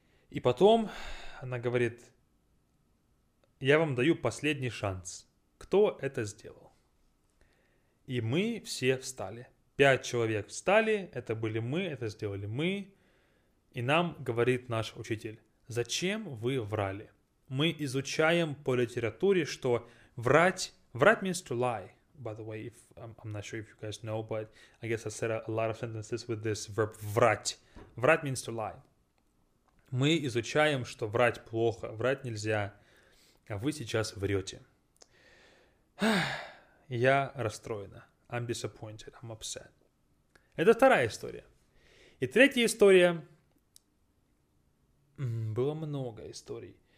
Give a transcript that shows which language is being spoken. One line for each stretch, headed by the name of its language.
Russian: И потом она говорит, я вам даю последний шанс. Кто это сделал? И мы все встали. 5 человек встали. Это были мы, это сделали мы. И нам говорит наш учитель, зачем вы врали? Мы изучаем по литературе, что врать
English: means to lie. By the way, if I'm not sure if you guys know, but I guess I said a lot of sentences with this verb врать. Врать means to lie.
Russian: Мы изучаем, что врать плохо, врать нельзя, а вы сейчас врете. Я расстроена.
English: I'm disappointed. I'm upset.
Russian: Это вторая история. И третья история. Было много историй.